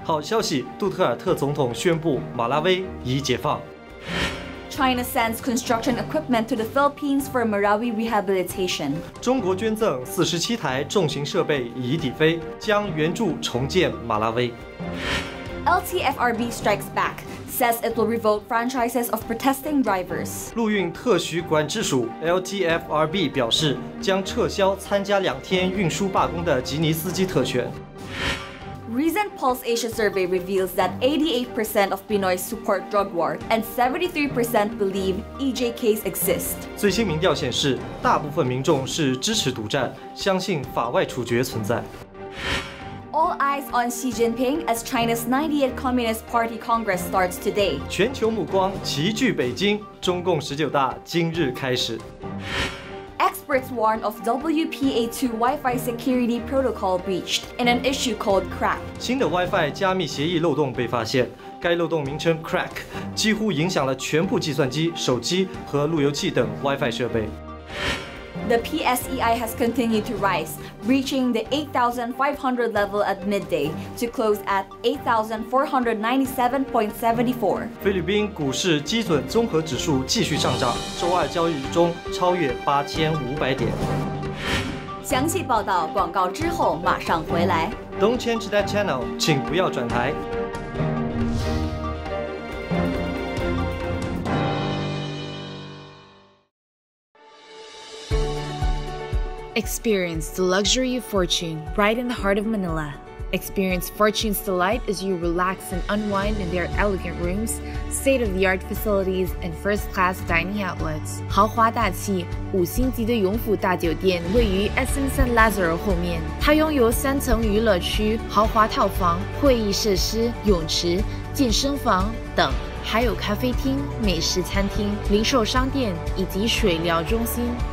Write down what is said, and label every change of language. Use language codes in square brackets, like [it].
[zh] 好消息，杜特尔特总统宣布马拉威已解放。 [en] China sends construction equipment to the Philippines for Marawi rehabilitation. [zh] 中国捐赠47台重型设备以抵非，将援助重建马拉威。 [en] LTFRB strikes back, says it will revoke franchises of protesting drivers. [zh] 陆运特许管制署 LTFRB 表示，将撤销参加两天运输罢工的吉尼司机特权。 [en] Recent Pulse Asia survey reveals that 88% of Pinoy support drug war and 73% believe EJKs exist. [zh] 最新民调显示，大部分民众是支持独占，相信法外处决存在。 [en] All eyes on Xi Jinping as China's 98th Communist Party Congress starts today. [zh] 全球目光齐聚北京，中共十九大今日开始。 [en] Experts warn of WPA2 Wi-Fi security protocol breached in an issue called Crack. [zh] 新的 Wi-Fi 加密协议漏洞被发现，该漏洞名称 Crack， 几乎影响了全部计算机、手机和路由器等 Wi-Fi 设备。 [en] The PSEI has continued to rise, reaching the 8,500 level at midday to close at 8,497.74. [zh] 菲律宾股市基准综合指数继续上涨，周二交易日中超越8500点。详细报道广告之后马上回来。 [en] Don't change that channel， [zh] 请不要转台。 [en] Experience the luxury of Fortune right in the heart of Manila. Experience Fortune's delight as you relax and unwind in their elegant rooms, state-of-the-art facilities, and first-class dining outlets. [zh] 豪华大气五星级的永福大酒店位于 SM San Lazaro 后面，它拥有三层娱乐区、豪华套房、会议设施、泳池、健身房等，还有咖啡厅、美食餐厅、零售商店以及水疗中心。